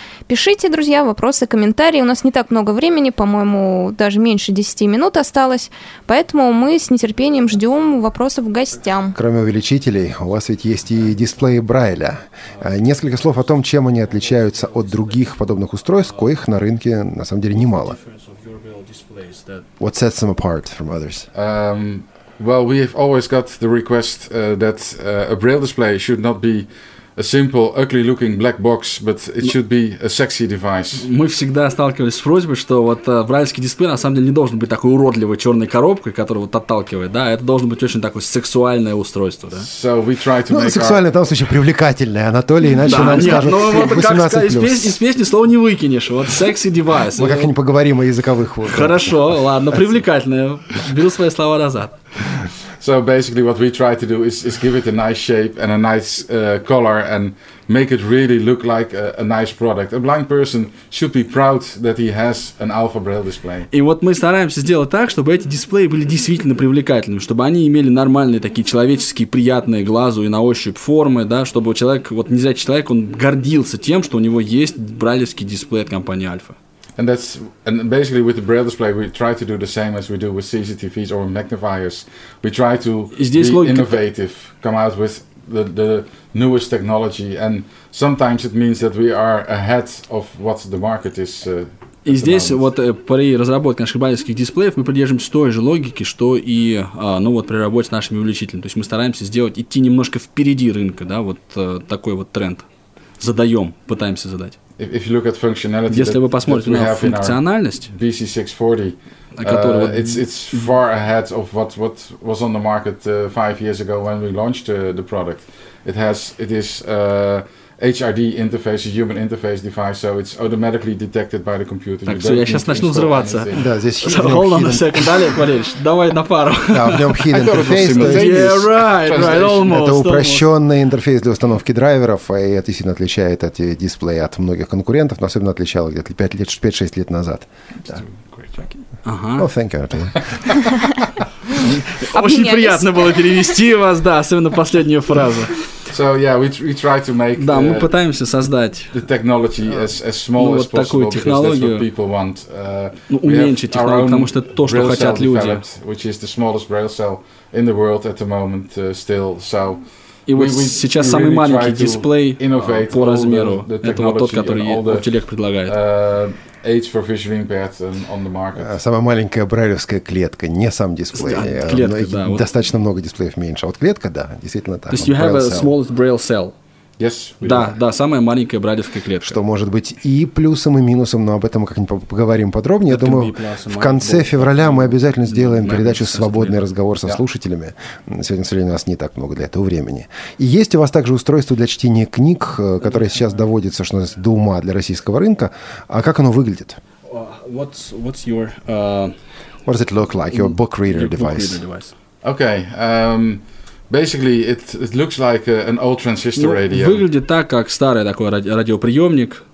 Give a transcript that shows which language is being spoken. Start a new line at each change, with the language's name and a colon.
Russian: Пишите, друзья, вопросы, комментарии. У нас не так много времени, по-моему, даже меньше 10 минут осталось, поэтому мы с нетерпением ждем вопросов к гостям. Кроме увеличителей, у вас ведь есть и дисплей Брайля. Несколько слов о том, чем они отличаются от других подобных устройств, коих на рынке, на самом деле, немало.
English: What sets them apart from others? Well, we have always got the request that a Braille display should not be a simple, ugly-looking black box, but it should be a sexy device.
Russian: Мы всегда сталкивались с просьбой, что вот брайльский дисплей на самом деле не должен быть такой уродливой черной коробкой, которая вот отталкивает, да, это должно быть очень такое сексуальное устройство, да.
English: So we try to make
Russian: сексуальное, в том случае, привлекательное, Анатолий, иначе нам скажут 18+. Из песни слова не выкинешь, вот
English: sexy device.
Russian: Мы как-нибудь поговорим о языковых. Хорошо, ладно, привлекательное, беру свои слова назад.
English: So basically what we try to do is give it a nice shape and a nice color and make it really look like a nice product. A blind person should be proud that he has an Alpha Braille display.
Russian: И вот мы стараемся сделать так, чтобы эти дисплеи были действительно привлекательными, чтобы они имели нормальные такие человеческие, приятные глазу и на ощупь формы, да, чтобы человек, вот незрячий человек, он гордился тем, что у него есть брайльский дисплей от компании Alpha.
English: And that's and basically with the Braille display we try to do the same as we do with CCTVs or magnifiers. We try to be innovative, come out with the newest technology, and sometimes it means that we are ahead of what the market is.
Russian: И здесь вот при разработке наших брайлевских дисплеев мы придерживаемся той же логики, что и, ну вот, при работе с нашими увеличителями. То есть мы стараемся сделать идти немножко впереди рынка, да, вот такой вот тренд задаем, пытаемся задать.
English: If you look at functionality,
Russian: если вы посмотрите на функциональность
English: BC640, it's far ahead of what was on the market 5 years ago when we launched the product. It is HID interface, human interface device, so it's automatically detected by the computer.
Russian: Так, все, я сейчас начну взрываться. Да, здесь
English: so, hold on a second, Олег Валерьевич,
Russian: давай на пару. Да, в нем
English: hidden interface. Yeah, right, almost.
Russian: Это упрощенный интерфейс для установки драйверов, и это сильно отличает эти дисплеи от многих конкурентов, но особенно отличало где-то 5-6 лет назад. Ага.
English: Oh, thank you.
Russian: Очень приятно было перевести вас, да, особенно последнюю фразу.
English: So yeah, we try to make
Russian: да, мы пытаемся создать
English: the technology as small
Russian: ну,
English: as
Russian: вот
English: possible,
Russian: такую технологию,
English: because that's what people want.
Russian: Ну, уменьшить технологию, потому что то, что хотят люди.
English: Which is the smallest braille cell in the world at the moment still. So
Russian: и вот сейчас самый маленький дисплей по размеру, это вот тот, который Optelec предлагает.
English: Age for visually impaired on the market.
Russian: Самая маленькая брайлевская клетка, не сам дисплей. Да, клетка, да, достаточно вот много дисплеев меньше. А вот клетка, да, действительно так. То есть
English: you have a smallest braille cell. Yes.
Russian: Да, да, самая маленькая брайлевская клетка. Что может быть и плюсом, и минусом, но об этом мы как-нибудь поговорим подробнее. Я думаю, в конце февраля мы обязательно сделаем передачу «Свободный разговор со слушателями». Сегодня, к сожалению, у нас не так много для этого времени. И есть у вас также устройство для чтения книг, которое сейчас доводится, что называется, до ума для российского рынка. А как оно выглядит?
English: What's your... What does it look like, your book reader device? Okay, basically, it looks like an old transistor radio.
Russian: Выглядит так, как старый такой радиоприемник.